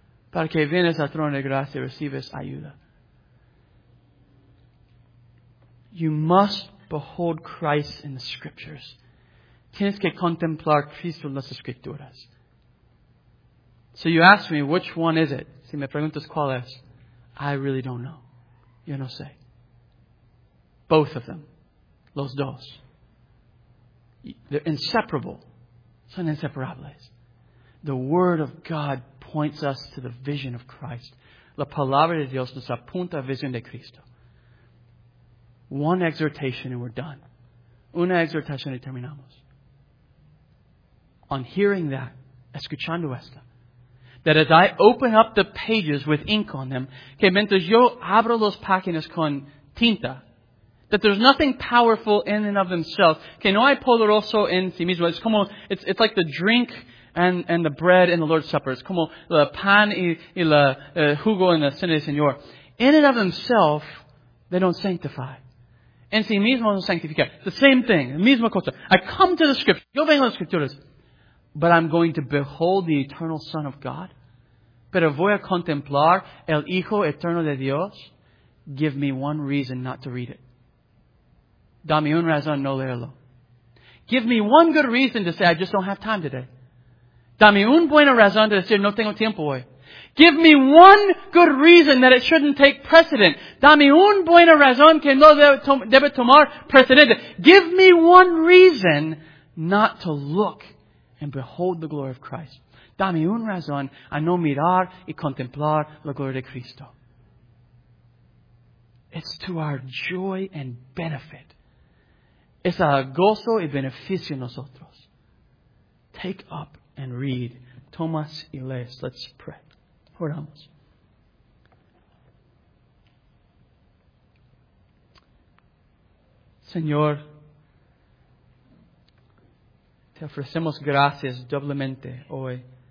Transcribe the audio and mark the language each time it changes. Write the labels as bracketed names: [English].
[Spanish] Para que vienes al trono de gracia y recibes ayuda. [English] You must behold Christ in the Scriptures. [Spanish] Tienes que contemplar Cristo en las Escrituras. [English] So you ask me, which one is it? [Spanish] Si me preguntas cuál es, [English] I really don't know. [Spanish] Yo no sé. [English] Both of them. [Spanish] Los dos. [English] They're inseparable. [Spanish] Son inseparables. [English] The Word of God points us to the vision of Christ. [Spanish] La Palabra de Dios nos apunta a la visión de Cristo. [English] One exhortation and we're done. [Spanish] Una exhortación y terminamos. [English] On hearing that, [Spanish] escuchando esta, [English] that as I open up the pages with ink on them, [Spanish] que mientras yo abro los páginas con tinta, [English] that there's nothing powerful in and of themselves. [Spanish] Que no hay poderoso en sí mismo. [English] It's como, it's like the drink and the bread in the Lord's Supper. It's [Spanish] como el pan y la jugo en la cena del Señor. [English] In and of themselves, they don't sanctify. [Spanish] En sí mismo no sanctifica. [English] The same thing. [Spanish] La misma cosa. [English] I come to the Scripture. [Spanish] Yo vengo a las Escrituras. [English] But I'm going to behold the eternal Son of God. [Spanish] Pero voy a contemplar el Hijo Eterno de Dios. [English] Give me one reason not to read it. [Spanish] Dame un razón no leerlo. [English] Give me one good reason to say I just don't have time today. [Spanish] Dame un buena razón de decir no tengo tiempo hoy. [English] Give me one good reason that it shouldn't take precedent. [Spanish] Dame un buena razón que no debe tomar precedente. [English] Give me one reason not to look and behold the glory of Christ. [Spanish] Dame un razón a no mirar y contemplar la gloria de Cristo. [English] It's to our joy and benefit. [Spanish] Es a gozo y beneficio nosotros. [English] Take up and read. [Spanish] Tomas y lees. [English] Let's pray. [Spanish] Oramos. Señor, te ofrecemos gracias doblemente hoy.